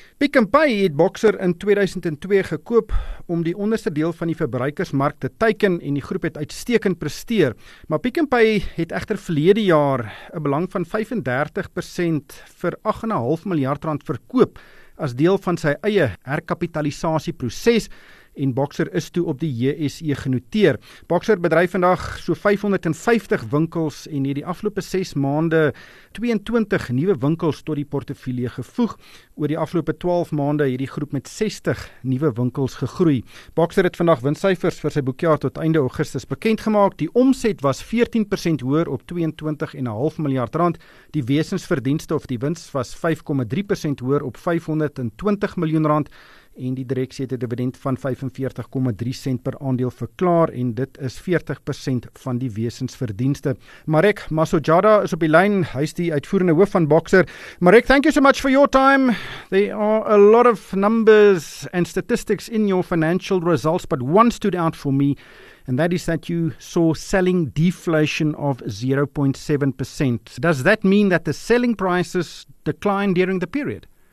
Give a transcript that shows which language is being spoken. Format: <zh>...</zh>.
<af>Pick n Pay het Boxer in 2002 gekoop om die onderste deel van die verbruikersmark te teiken en die groep het uitstekend presteer. Maar Pick n Pay het egter verlede jaar 'n belang van 35% vir 8,5 miljard rand verkoop as deel van sy eie herkapitalisasieproses en Boxer is toe op die JSE genoteer. Boxer bedryf vandag so 550 winkels en het die afgelope 6 maande 22 nuwe winkels tot die portefeulje gevoeg. Oor die afgelope 12 maande het die groep met 60 nuwe winkels gegroei. Boxer het vandag winssyfers vir sy boekjaar tot einde Augustus bekend gemaak. Die omset was 14% hoër op 22,5 miljard rand. Die wesensverdienste of die wins was 5,3% hoër op 520 miljoen rand. En die direksie het 'n dividend van 45,3 sent per aandeel verklaar en dit is 40% van die wesensverdienste. Marek Masojada is op die lyn, hy's die uitvoerende hoof van Boxer.</af> <en>Marek, thank you so much for your time. There are a lot of numbers and statistics in your financial results, but one stood out for me, and that is that you saw selling deflation of 0.7%. Does that mean that the selling prices declined during the period?</en>